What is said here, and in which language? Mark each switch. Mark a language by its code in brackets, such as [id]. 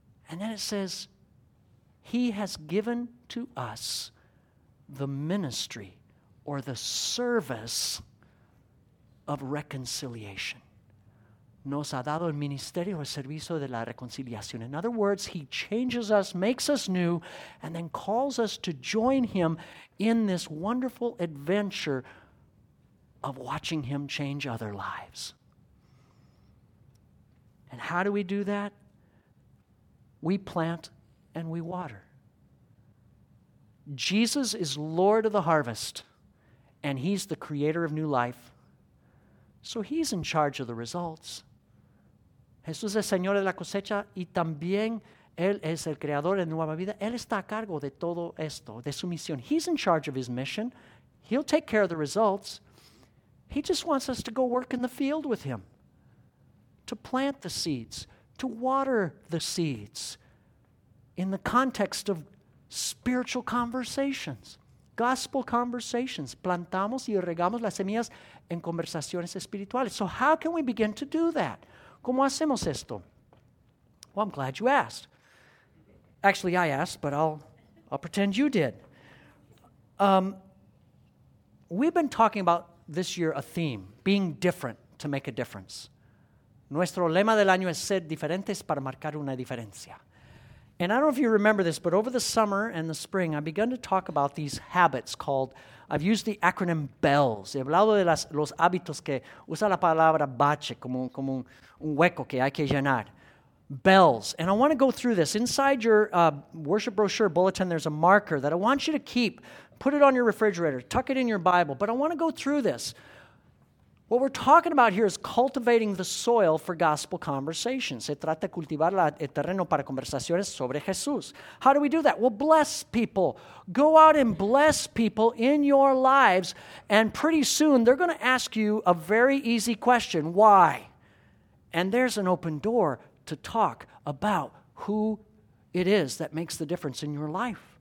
[en] And then it says, he has given to us the ministry or the service of reconciliation. [es] Nos ha dado el ministerio o el servicio de la reconciliación. [en] In other words, he changes us, makes us new, and then calls us to join him in this wonderful adventure of watching him change other lives. And how do we do that? We plant and we water. Jesus is Lord of the harvest, and he's the creator of new life. So he's in charge of the results. [es] Jesús es Señor de la cosecha y también Él es el creador de nueva vida. Él está a cargo de todo esto, de su misión. [en] He's in charge of his mission. He'll take care of the results. He just wants us to go work in the field with him, to plant the seeds, to water the seeds in the context of spiritual conversations, gospel conversations. [es] Plantamos y regamos las semillas en conversaciones espirituales. [en] So how can we begin to do that? [es] ¿Cómo hacemos esto? [en] Well, I'm glad you asked. Actually, I asked, but I'll pretend you did. We've been talking about this year a theme, being different to make a difference. [es] Nuestro lema del año es ser diferentes para marcar una diferencia. [en] And I don't know if you remember this, but over the summer and the spring, I began to talk about these habits called, I've used the acronym BELLS. [es] He hablado de los hábitos que usa la palabra bache, como un hueco que hay que llenar. [en] BELLS. And I want to go through this. Inside your worship brochure bulletin, there's a marker that I want you to keep. Put it on your refrigerator. Tuck it in your Bible. But I want to go through this. What we're talking about here is cultivating the soil for gospel conversations. [es] Se trata de cultivar el terreno para conversaciones sobre Jesús. [en] How do we do that? Well, bless people. Go out and bless people in your lives, and pretty soon they're going to ask you a very easy question. Why? And there's an open door to talk about who it is that makes the difference in your life.